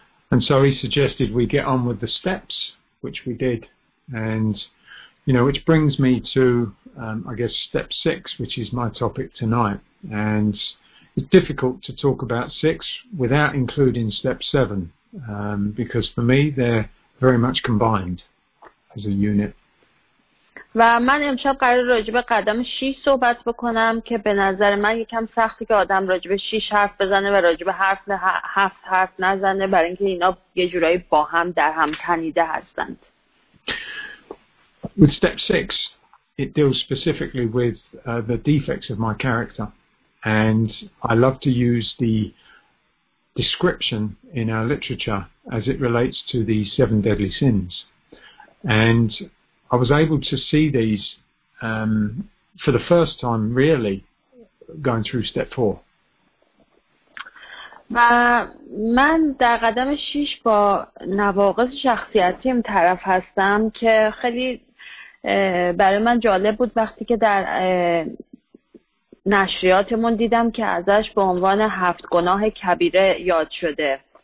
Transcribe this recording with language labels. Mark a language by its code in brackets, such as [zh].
[en] And so he suggested we get on with the steps, which we did, and you know, which brings me to I guess step six, which is my topic tonight. And it's difficult to talk about six without including step seven, because for me they're very much combined as a unit. [fa] و من امشب قرار راجع به قدم 6 صحبت بکنم که به نظر من یکم سختی که آدم راجع به 6 حرف بزنه و راجع به حرف 7 حرف نزنه، برای اینکه اینا یه جورایی با هم در هم تنیده هستند. [en] With step 6, it deals specifically with the defects of my character, and I love to use the description in our literature as it relates to the 7 deadly sins. And I was able to see these for the first time really going through step 4. [fa] و من در قدم 6 با نواقص شخصیتیم طرف هستم که خیلی برای من جالب بود وقتی که در نشریاتمون دیدم که ازش به عنوان 7 گناه کبیره یاد شده.